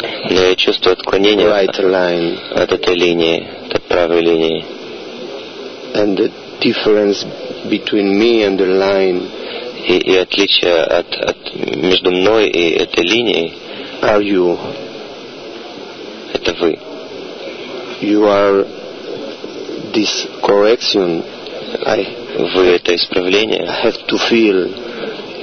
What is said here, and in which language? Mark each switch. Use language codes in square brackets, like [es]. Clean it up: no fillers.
[ru] Но я чувствую отклонение [en] right line. [ru] От этой линии, от правой линии. [en] And the difference between me and the line. [ru] И отличие от между мной и этой линией. [en] Are you? [ru] Это вы. [en] You are this correction. [ru] Вы это исправление. [en] I have to feel.